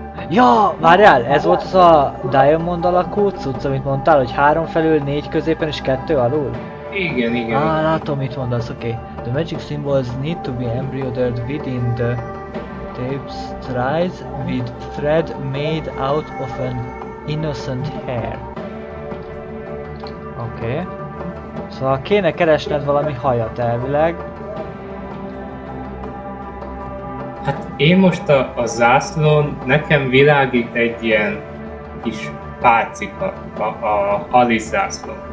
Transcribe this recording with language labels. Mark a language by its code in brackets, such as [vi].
[hu] Ja, várjál, ez volt az a Diamond alakú cucc, amit mondtál, hogy három felül, négy középen és kettő alul? Igen. Ah, látom, mit mondasz, oké. [en] Okay. The magic symbols need to be embroidered within the tapestries with thread made out of an innocent hair. [hu] Oké. Okay. Szóval kéne keresned valami hajat elvileg. Hát én most a zászlón nekem világít egy ilyen kis pálcika, a Alice zászló.